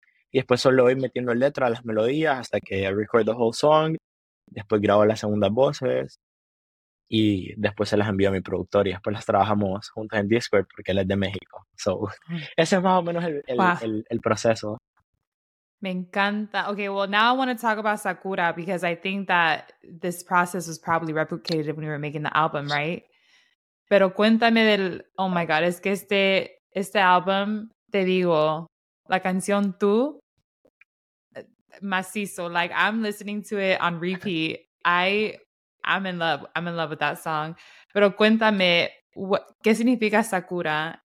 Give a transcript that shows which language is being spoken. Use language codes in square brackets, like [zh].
[es] Y después solo voy metiendo letra a las melodías hasta que [en] I record the whole song. [es] Después grabo las segundas voces. Y después se las envío a mi productor. Y después las trabajamos juntas en Discord porque él es de México. So, ese es más o menos el proceso. Me encanta. [en] Okay, well, now I want to talk about Sakura because I think that this process was probably replicated when we were making the album, right? [es] Pero cuéntame del... [en] Oh, my God. [es] Es que este álbum, te digo... La canción Tú, [en] macizo. Like, I'm listening to it on repeat. I'm in love. I'm in love with that song. [es] Pero cuéntame, ¿qué significa Sakura?